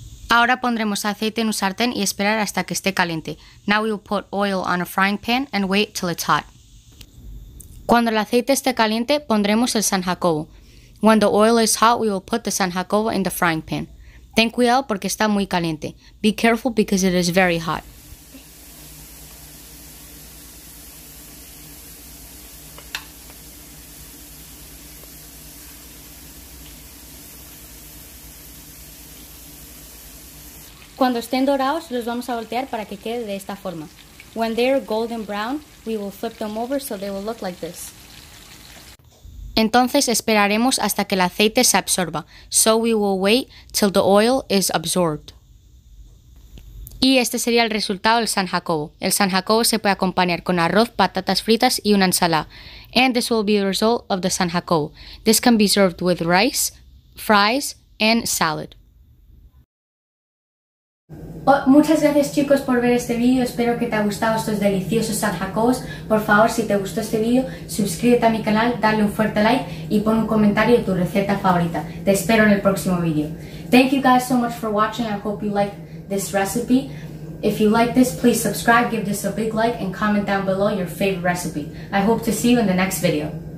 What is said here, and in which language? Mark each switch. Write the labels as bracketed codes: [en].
[es] Ahora pondremos aceite en un sartén y esperar hasta que esté caliente. [en] Now we will put oil on a frying pan and wait till it's hot. [es] Cuando el aceite esté caliente, pondremos el San Jacobo. [en] When the oil is hot, we will put the San Jacobo in the frying pan. [es] Ten cuidado porque está muy caliente. [en] Be careful because it is very hot. [es] Cuando estén dorados, los vamos a voltear para que quede de esta forma. [en] When they are golden brown, we will flip them over so they will look like this. [es] Entonces esperaremos hasta que el aceite se absorba. [en] So we will wait till the oil is absorbed. [es] Y este sería el resultado del San Jacobo. El San Jacobo se puede acompañar con arroz, patatas fritas y una ensalada. [en] And this will be the result of the San Jacobo. This can be served with rice, fries and salad. [es] Muchas gracias chicos por ver este vídeo, espero que te haya gustado estos deliciosos San Jacobos. Por favor, si te gustó este vídeo, suscríbete a mi canal, dale un fuerte like y pon un comentario de tu receta favorita. Te espero en el próximo vídeo. [en] Thank you guys so much for watching, I hope you like this recipe. If you like this, please subscribe, give this a big like and comment down below your favorite recipe. I hope to see you in the next video.